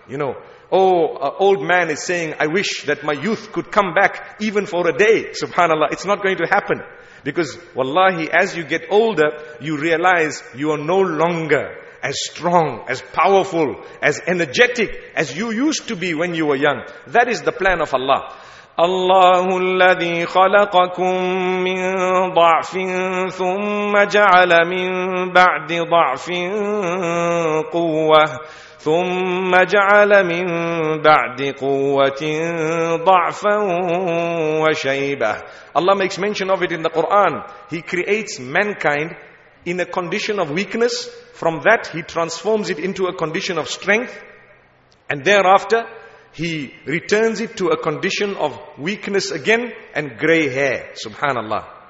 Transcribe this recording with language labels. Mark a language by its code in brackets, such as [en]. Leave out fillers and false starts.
[en] You know, old man is saying, I wish that my youth could come back even for a day. Subhanallah, it's not going to happen. Because wallahi, as you get older, you realize you are no longer as strong, as powerful, as energetic as you used to be when you were young. That is the plan of Allah. [ar] الله الذي خلقكم من ضعف ثم جعل من بعد ضعف قوة ثم جعل من بعد قوة ضعفا وشيبة. [en] Allah makes mention of it in the Quran. He creates mankind in a condition of weakness. From that, He transforms it into a condition of strength. And thereafter, He returns it to a condition of weakness again and gray hair. Subhanallah.